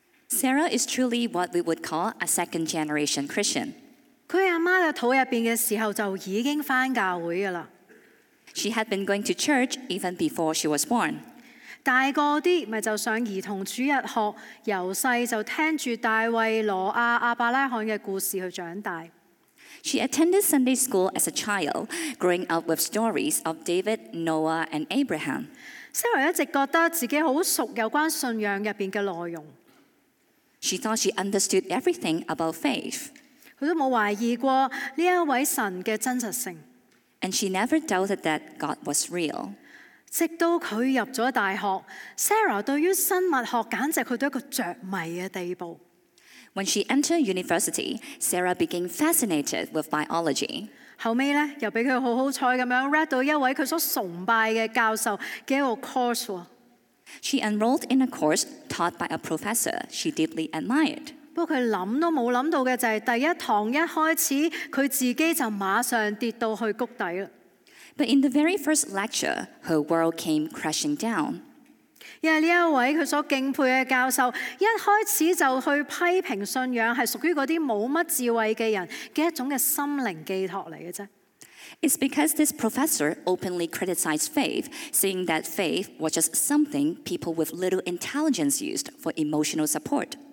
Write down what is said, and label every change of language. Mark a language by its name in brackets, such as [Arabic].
[English] Sarah is truly what we would call a second generation Christian. [Cantonese] 佢阿妈嘅肚入边嘅时候就已经翻教会噶啦。 [English] She had been going to church even before she was born. [Cantonese] 大个啲咪就上儿童主日学，由细就听住大卫、罗亚、亚伯拉罕嘅故事去长大。 [English] She attended Sunday school as a child, growing up with stories of David, Noah, and Abraham. [Cantonese] Sarah 一直觉得自己好熟有关信仰入边嘅内容。 [English] She thought she understood everything about faith. [Cantonese] 佢都冇怀疑过呢一位神嘅真实性。 [English] And she never doubted that God was real. [Cantonese] 直到佢入咗大学 ，Sarah 对于生物学简直去到一个着迷嘅地步。 [English] When she entered university, Sarah became fascinated with biology. [Cantonese] 后尾咧，又俾佢好好彩咁样 read 到一位佢所崇拜嘅教授嘅一个 course。 [English] She enrolled in a course taught by a professor she deeply admired. [Cantonese] 不过佢谂都冇谂到嘅就系第一堂一开始，佢自己就马上跌到去谷底啦。 [English] But in the very first lecture, her world came crashing down. [Cantonese] 因为呢一位佢所敬佩嘅教授，一开始就去批评信仰系属于嗰啲冇乜智慧嘅人嘅一种嘅心灵寄托嚟嘅啫。 [English] It's because this professor openly criticized faith, saying that faith was just something people with little intelligence used for emotional support.